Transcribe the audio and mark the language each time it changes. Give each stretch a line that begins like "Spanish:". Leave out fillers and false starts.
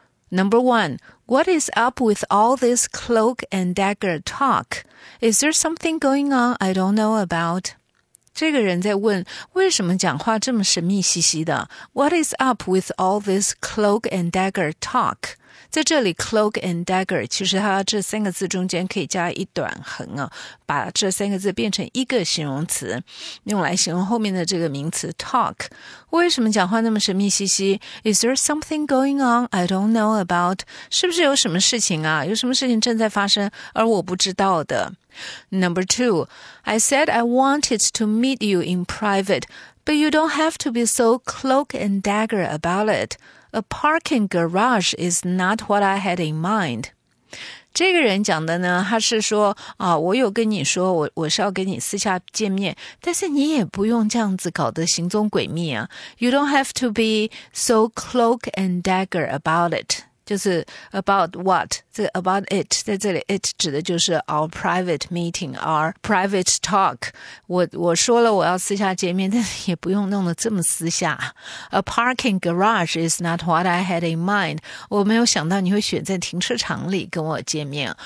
English: Number one,What is up with all this cloak and dagger talk? Is there something going on I don't know about?
Chinese: 这个人在问，为什么讲话这么神秘兮兮的？
English: What is up with all this cloak and dagger talk?
Chinese: 在这里
English: cloak and dagger,
Chinese: 其实它这三个字中间可以加一短横啊，把这三个字变成一个形容词，用来形容后面的这个名词 talk。为什么讲话那么神秘兮兮？
English: Is there something going on I don't know about?
Chinese: 是不是有什么事情啊？有什么事情正在发生而我不知道的？
English: Number two, I said I wanted to meet you in private, but you don't have to be so cloak and dagger about it. A parking garage is not what I had in mind.
Chinese: 这个人讲的呢，他是说啊，我有跟你说我是要跟你私下见面，但是你也不用这样子搞得行踪诡秘啊。
English: You don't have to be so cloak and dagger about it.
Chinese: 就是
English: about what? 这 about it,
Chinese: 在这里
English: it
Chinese: 指的就是
English: our private meeting, our private talk.
Chinese: 我说了我要私下见面，但是也不用弄得这么私下。
English: A parking garage is not what I had in mind.
Chinese: 我没有想到你会选在停车场里跟我见面。